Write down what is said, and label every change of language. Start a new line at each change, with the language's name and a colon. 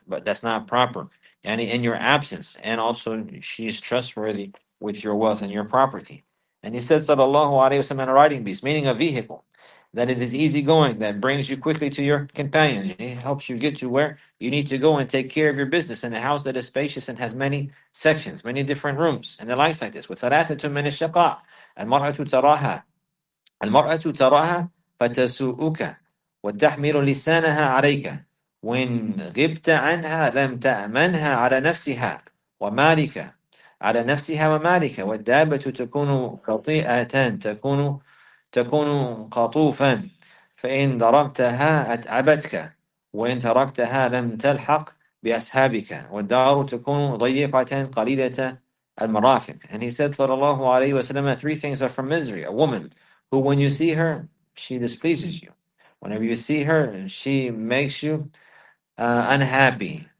English: But that's not proper. Any in your absence, and also she's trustworthy with your wealth and your property. And he said, sallallahu alayhi wa sallam, a riding beast, meaning a vehicle, that it is easy going, that brings you quickly to your companion. It helps you get to where you need to go and take care of your business in a house that is spacious and has many sections, many different rooms, and the likes like this.
Arabic: With ثلاثة من الشقاء المرأة تراها المرأة تراها فتسوؤك وتحمل لسانها عليك وإن غبت عنها لم تأمنها على نفسها ومالك على نفسها ومالك والدابة تكون قطيئة تكون قطوفا فإن ضربتها أتعبتك وإن تركتها لم تلحق بأصحابك والدار تكون ضيقة قليلة المرافق.
English: And he said
Arabic: صلى الله عليه وسلم,
English: three things are from misery: a woman who, when you see her, she displeases you; whenever you see her, she makes you unhappy.